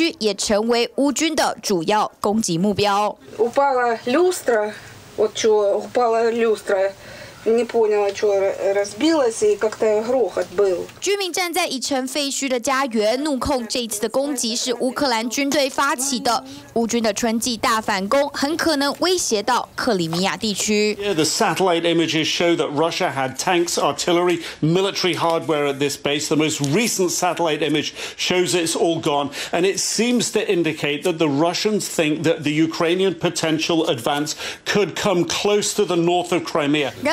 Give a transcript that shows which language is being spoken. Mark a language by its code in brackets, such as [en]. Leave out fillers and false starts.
[zh] 究竟是飞机太老旧，还是俄军训练有状况？但最近俄罗斯军队问题不断，二战区也成为乌军的主要攻击目标。 [ru] Упала люстра, вот что упала люстра. Не поняла, что разбилось, и как-то грохот был. [zh] 居民站在已成废墟的家园，怒控这次的攻击是乌克兰军队发起的。乌军的春季大反攻很可能威胁到克里米亚地区。 [en] Yeah, the satellite images show that Russia had tanks, artillery, military hardware at this base. The most recent satellite image shows it's all gone, and it seems to indicate that the Russians think that the Ukrainian potential advance could come close to the north of Crimea.